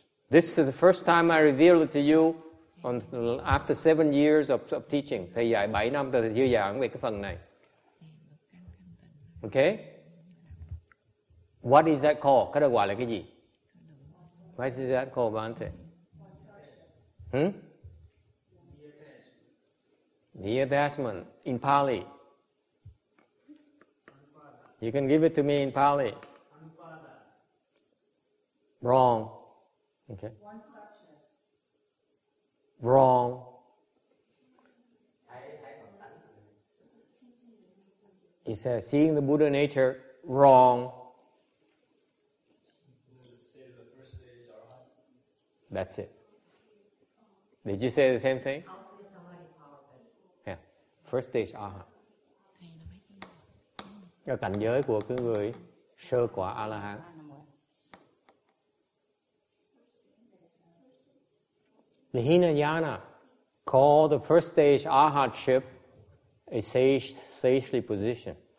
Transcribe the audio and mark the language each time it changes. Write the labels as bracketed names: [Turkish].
[English] This is the first time I reveal it to you. After 7 years of teaching, [Vietnamese] thầy dạy 7 năm rồi thầy chưa giảng về cái phần này. Okay? [English] What is that called? [Vietnamese] Cái đó gọi là cái gì? [English] What is that called, Bante? The attachment in Pali. You can give it to me in Pali. Wrong. Okay. Wrong. He says, seeing the Buddha nature, wrong. That's it. Did you say the same thing? Yeah. First stage, aha. [Vietnamese] Cái cảnh giới của cái người sơ quả A-la-hán. [English] The Hinayana, called the first stage arhatship, a sagely position.